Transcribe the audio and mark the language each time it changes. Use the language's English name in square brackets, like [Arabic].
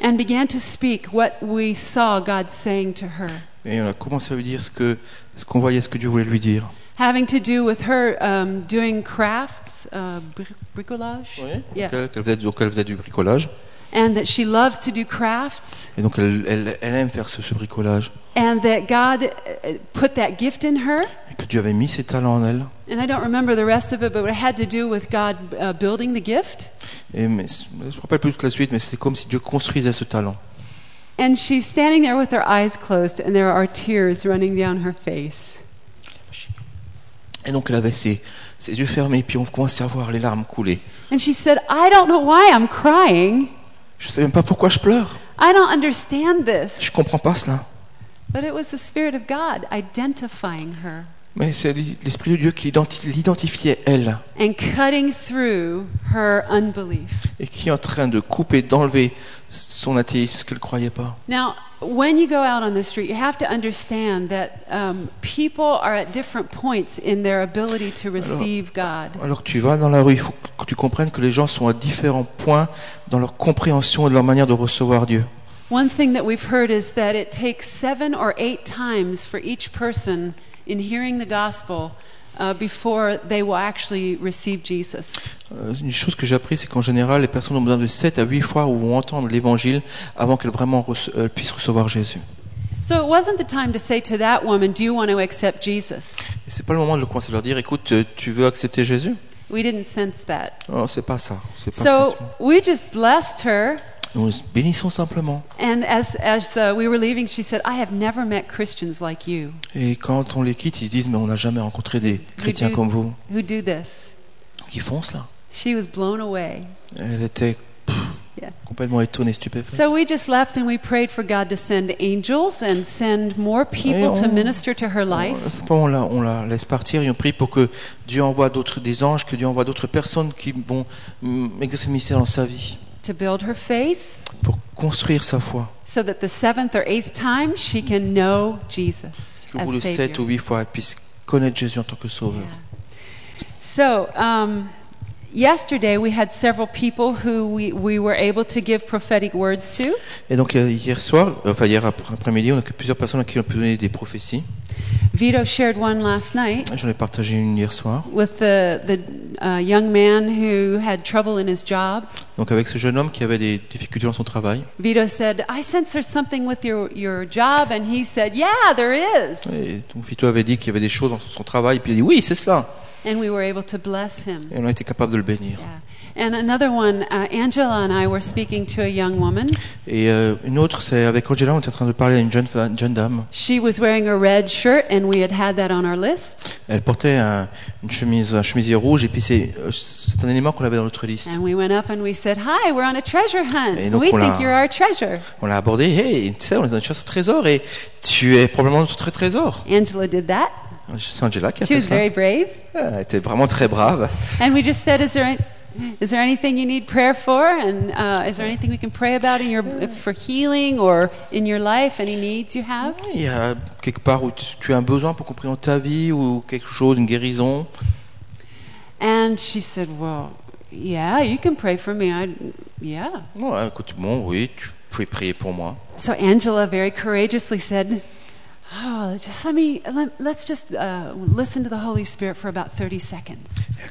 [English] And began to speak what we saw God saying to her. [French] Et on a commencé à lui dire ce qu'on voyait, ce que Dieu voulait lui dire. [English] Having to do with her doing crafts, bricolage. [French] Oui. Yeah. Donc elle faisait du bricolage. [English] And that she loves to do crafts. [French] Et donc elle aime faire ce bricolage. [English] And that God put that gift in her. [French] Et que Dieu avait mis ses talents en elle. [English] And I don't remember the rest of it, but it had to do with God building the gift. [French] Et mais, je me rappelle plus toute la suite, mais c'était comme si Dieu construisait ce talent. [English] And she's standing there with her eyes closed, and there are tears running down her face. [French] Et donc elle avait ses yeux fermés, puis on commence à voir les larmes couler. [English] And she said, "I don't know why I'm crying." [French] Je ne sais même pas pourquoi je pleure. [English] I don't understand this. [French] Je ne comprends pas cela. [English] But it was the Spirit of God identifying her. [French] Mais c'est l'Esprit de Dieu qui l'identifiait, elle. [English] And cutting through her unbelief. [French] Et qui est en train de couper, d'enlever son athéisme, ce qu'elle ne croyait pas. [English] Now, when you go out on the street, you have to understand that people are at different points in their ability to receive God. [French] Alors tu vas dans la rue, il faut que tu comprennes que les gens sont à différents points dans leur compréhension et de leur manière de recevoir Dieu. [English] One thing that we've heard is that it takes 7 or 8 times for each person in hearing the gospel before they will actually receive Jesus. [French] Une chose que j'ai appris, c'est qu'en général, les personnes ont besoin de 7 à 8 fois où vont entendre l'évangile avant qu'elles vraiment puissent recevoir Jésus. [English] So it wasn't the time to say to that woman, "Do you want to accept Jesus?" [French] Et c'est pas le moment de le coincer, de leur dire, écoute, tu veux accepter Jésus? [English] We didn't sense that. [French] Oh, c'est pas ça. C'est pas [English] so [French] ça, [English] we just blessed her. [French] Nous bénissons simplement. [English] And as we were leaving, she said, "I have never met Christians like you." [French] Et quand on les quitte, ils disent, mais on n'a jamais rencontré des chrétiens comme vous. [English] Who do this? [French] Qui font cela? [English] She was blown away. [French] Elle était complètement étonnée, stupéfaite. [English] So we just left and we prayed for God to send angels and send more people to minister to her life. [French] On la laisse partir et on prie pour que Dieu envoie des anges, que Dieu envoie d'autres personnes qui vont exercer le ministère dans sa vie. [English] To build her faith, [French] pour construire sa foi. [English] So that the 7th or 8th time she can know Jesus as Savior. [French] Que pour 7 ou 8 fois elle puisse connaître Jésus en tant que Sauveur. [English] Yeah. So, yesterday we had several people who we were able to give prophetic words to. [French] Et donc hier après-midi, on a plusieurs personnes à qui on a pu donner des prophéties. [English] Vito shared one last night. [French] J'en ai partagé une hier soir. [English] With the young man who had trouble in his job. [French] Donc avec ce jeune homme qui avait des difficultés dans son travail. [English] Vito said, "I sense there's something with your job," and he said, "Yeah, there is." [French] Et donc Vito avait dit qu'il y avait des choses dans son travail, puis il a dit, "Oui, c'est cela." [English] And we were able to bless him. [French] Et on a été capable de le bénir. [English] Yeah. And another one, Angela and I were speaking to a young woman. [French] Et une autre, c'est avec Angela, on était en train de parler à une jeune dame. [English] She was wearing a red shirt, and we had that on our list. [French] Elle portait un chemisier rouge, et puis c'est un élément qu'on avait dans notre liste. [English] And we went up and we said, "Hi, we're on a treasure hunt. We think you're our treasure." [French] On l'a abordé. Hey, tu sais, on est dans une chasse au trésor, et tu es probablement notre trésor. [English] Angela did that. [French] C'est Angela qui a [English] She [French] fait [English] was [French] ça. [English] Very brave. [French] Elle était vraiment très brave. [English] And we just said, Is there anything you need prayer for? And is there anything we can pray about in your for healing or in your life? Any needs you have? [French] Il y a quelque part où tu as un besoin pour comprendre ta vie ou quelque chose, une guérison. [English] And she said, "Well, yeah, you can pray for me. Yeah." [French] Ouais, écoute, bon, oui, tu peux prier pour moi. [English] So Angela very courageously said, "Oh, just let's listen to the Holy Spirit for about 30 seconds."